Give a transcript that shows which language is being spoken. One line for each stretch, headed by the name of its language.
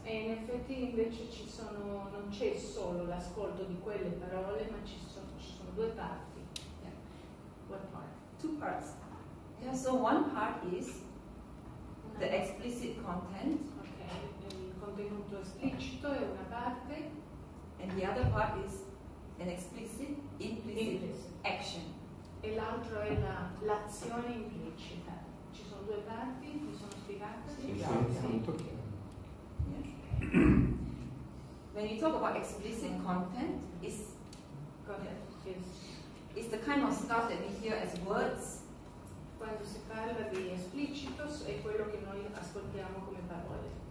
Italian: E in effetti invece ci sono, non c'è solo l'ascolto di quelle parole, ma ci sono due parti.
English: Yeah. What part? Two parts. Yeah, so one part is the explicit content.
Italian: Okay, il contenuto esplicito è una parte.
English: And the other part is an explicit, implicit action.
Italian: E l'altro è l'azione implicita. Ci sono due parti, mi sono spiegata?
English: When you talk about explicit content, it's the kind of stuff that we hear as words.
Italian: Quando si parla di esplicito è quello che noi ascoltiamo come parole.